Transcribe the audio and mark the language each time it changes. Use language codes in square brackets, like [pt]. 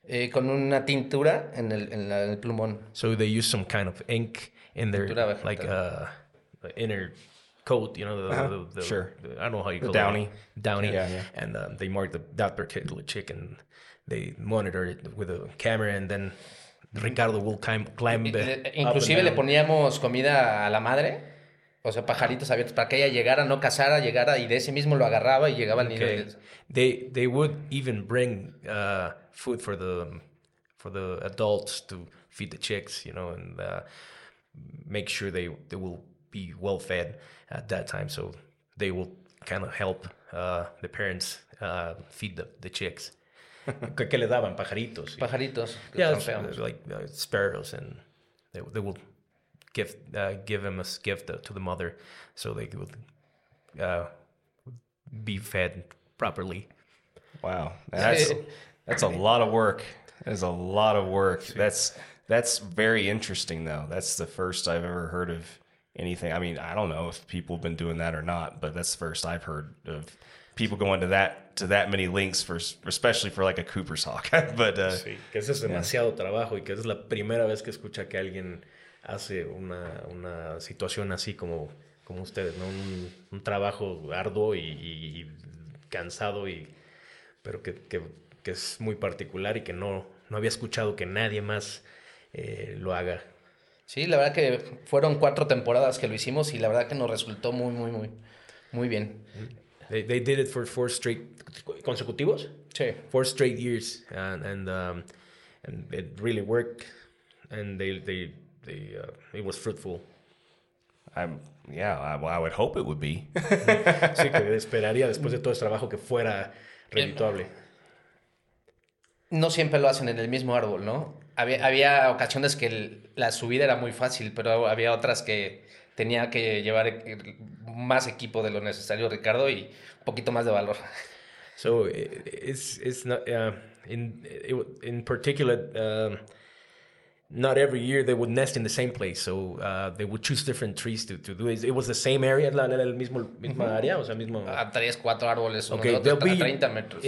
[es] Con una tintura en el plumón. [en] So they use some kind of ink in their like the inner coat, you know, I don't know how you call it. Downy. Yeah. And they mark that particular chick, and they monitor it with a camera, and then Ricardo will climb [es] inclusive le poníamos comida a la madre, o sea, pajaritos abiertos, para que ella llegara, no cazara, llegara, y de ese mismo lo agarraba y llegaba al nido. [en] Okay. They would even bring food for the adults to feed the chicks, you know, and make sure they will be well fed at that time, so they will kind of help the parents feed the chicks. [es] ¿Qué le daban? Pajaritos. Pajaritos. [en] Like sparrows, and they will give him a gift to the mother, so they will be fed properly. Wow, that's a lot of work. That is a lot of work. That's very interesting, though. That's the first I've ever heard of anything. I mean, I don't know if people have been doing that or not, but that's the first I've heard of people going to that many lengths especially for like a Cooper's hawk. But [es] sí, que eso es demasiado trabajo, y que es la primera vez que escucha que alguien hace una situación así como ustedes, ¿no? Un trabajo arduo y cansado, y pero que es muy particular, y que no había escuchado que nadie más lo haga. Sí, la verdad que fueron 4 temporadas que lo hicimos, y la verdad que nos resultó muy, muy, muy, muy bien. [en] They did it for 4 straight... [es] ¿Consecutivos? Sí. [en] 4 straight years, and it really worked, and they it was fruitful. I would hope it would be. [es] Sí, que esperaría después de todo ese trabajo que fuera redituable. No siempre lo hacen en el mismo árbol, ¿no? Había ocasiones que la subida era muy fácil, pero había otras que tenía que llevar más equipo de lo necesario, Ricardo, y un poquito más de valor. [en] So it's not in particular not every year they would nest in the same place. So they would choose different trees to do it. It was the same area, [es] el mismo misma [en] mm-hmm. [es] área, o sea, mismo. A 3-4 árboles, uno okay, de otro, a 30 metros.